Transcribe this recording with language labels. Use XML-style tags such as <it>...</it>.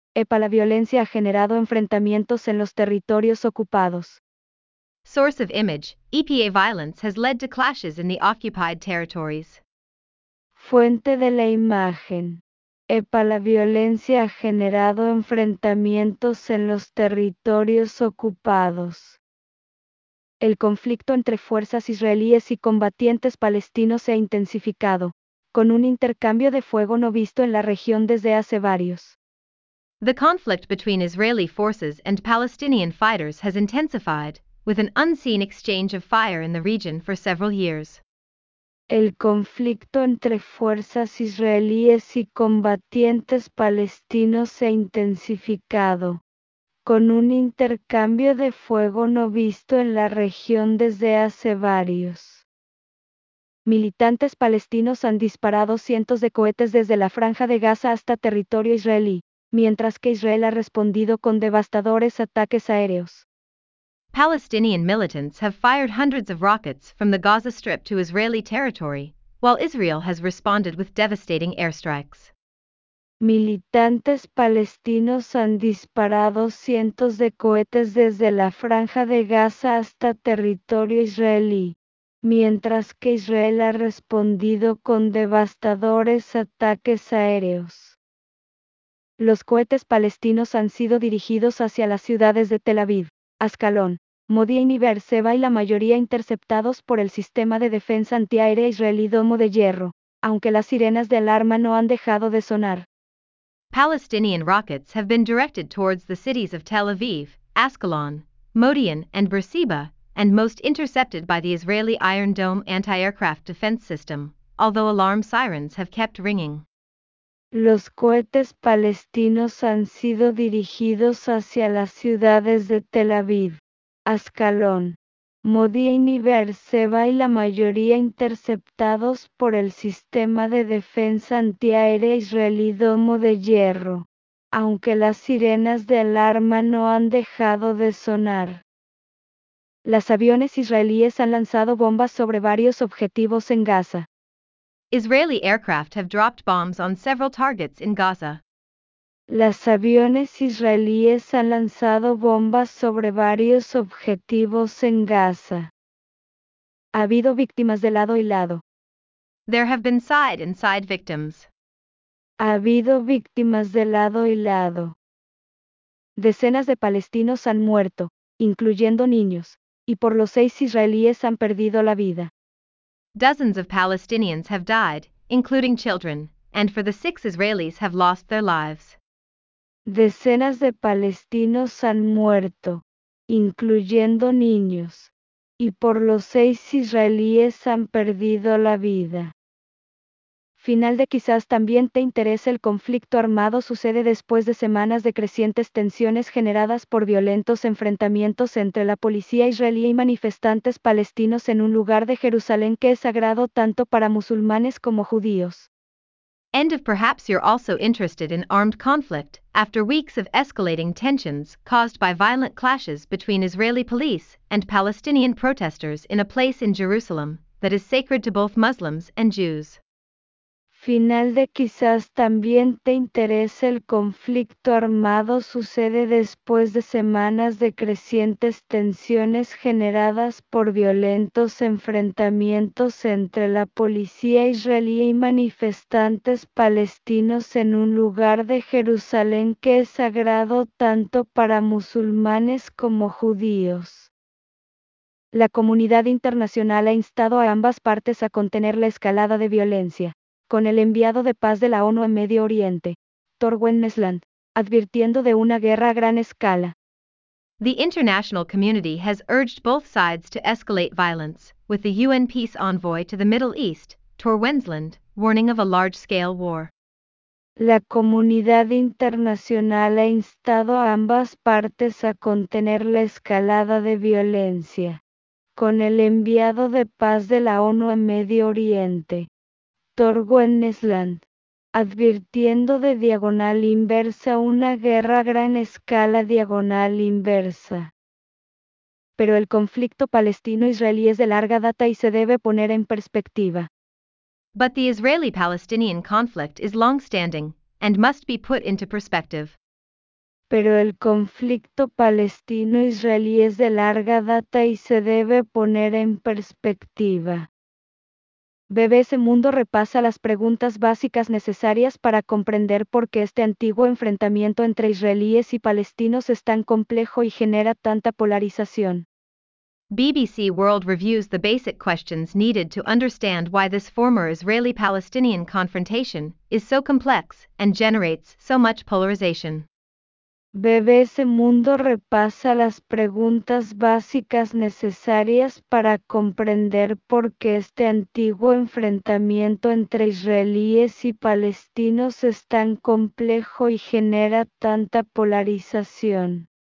<es>EPA, la violencia ha generado enfrentamientos en los territorios ocupados.</es> <en>Source of image, EPA violence has led to clashes in the occupied territories.</en> <es>Fuente de la imagen. EPA, la violencia ha generado enfrentamientos en los territorios ocupados. El conflicto entre fuerzas israelíes y combatientes palestinos se ha intensificado, con un intercambio de fuego no visto en la región desde hace varios.</es> <en>The conflict between Israeli forces and Palestinian fighters has intensified, with an unseen exchange of fire in the region for several years.</en> <es>El conflicto entre fuerzas israelíes y combatientes palestinos se ha intensificado, con un intercambio de fuego no visto en la región desde hace varios. Militantes palestinos han disparado cientos de cohetes desde la Franja de Gaza hasta territorio israelí, mientras que Israel ha respondido con devastadores ataques aéreos.</es> <en>Palestinian militants have fired hundreds of rockets from the Gaza Strip to Israeli territory, while Israel has responded with devastating airstrikes.</en> <es>Militantes palestinos han disparado cientos de cohetes desde la Franja de Gaza hasta territorio israelí, mientras que Israel ha respondido con devastadores ataques aéreos. Los cohetes palestinos han sido dirigidos hacia las ciudades de Tel Aviv, Ascalón, Modi'in y Beer-Seba y la mayoría interceptados por el sistema de defensa antiaérea israelí Domo de Hierro, aunque las sirenas de alarma no han dejado de sonar.</es> <en>Palestinian rockets have been directed towards the cities of Tel Aviv, Ascalon, Modi'in and Beer-Seba, and most intercepted by the Israeli Iron Dome anti-aircraft defense system, although alarm sirens have kept ringing.</en> <es>Los cohetes palestinos han sido dirigidos hacia las ciudades de Tel Aviv, Ascalón, Modi'in y Beer-Seba y la mayoría interceptados por el sistema de defensa antiaérea israelí Domo de Hierro, aunque las sirenas de alarma no han dejado de sonar. Los aviones israelíes han lanzado bombas sobre varios objetivos en Gaza.</es> <en>Israeli aircraft have dropped bombs on several targets in Gaza.</en> <es>Los aviones israelíes han lanzado bombas sobre varios objetivos en Gaza. Ha habido víctimas de lado y lado.</es> <en>There have been side and side victims.</en> <es>Ha habido víctimas de lado y lado. Decenas de palestinos han muerto, incluyendo niños, y por lo 6 israelíes han perdido la vida.</es> <en>Dozens of Palestinians have died, including children, and for the 6 Israelis have lost their lives.</en> <es>Decenas de palestinos han muerto, incluyendo niños, y por lo 6 israelíes han perdido la vida. Final de quizás también te interese el conflicto armado sucede después de semanas de crecientes tensiones generadas por violentos enfrentamientos entre la policía israelí y manifestantes palestinos en un lugar de Jerusalén que es sagrado tanto para musulmanes como judíos.</es> <en>End of perhaps you're also interested in armed conflict after weeks of escalating tensions caused by violent clashes between Israeli police and Palestinian protesters in a place in Jerusalem that is sacred to both Muslims and Jews.</en> <es>Final de quizás también te interese el conflicto armado sucede después de semanas de crecientes tensiones generadas por violentos enfrentamientos entre la policía israelí y manifestantes palestinos en un lugar de Jerusalén que es sagrado tanto para musulmanes como judíos. La comunidad internacional ha instado a ambas partes a contener la escalada de violencia, con el enviado de paz de la ONU en Medio Oriente, Thorwin Nesland, advirtiendo de una guerra a gran escala.</es> <en>The international community has urged both sides to escalate violence, with the UN peace envoy to the Middle East, Thorwin Nesland, warning of a large-scale war.</en> <es>La comunidad internacional ha instado a ambas partes a contener la escalada de violencia, con el enviado de paz de la ONU en Medio Oriente. Thorwin Nesland, advirtiendo de diagonal inversa una guerra a gran escala diagonal inversa. Pero el conflicto palestino-israelí es de larga data y se debe poner en perspectiva.</es> <en>But the Israeli-Palestinian conflict is long-standing, and must be put into perspective.</en> <es>Pero el conflicto palestino-israelí es de larga data y se debe poner en perspectiva. BBC Mundo repasa las preguntas básicas necesarias para comprender por qué este antiguo enfrentamiento entre israelíes y palestinos es tan complejo y genera tanta polarización.</es> <en>BBC World reviews the basic questions needed to understand why this former Israeli-Palestinian confrontation is so complex and generates so much polarization.</en> <es>BBC Mundo repasa las preguntas básicas necesarias para comprender por qué este antiguo enfrentamiento entre israelíes y palestinos es tan complejo y genera tanta polarización.</es>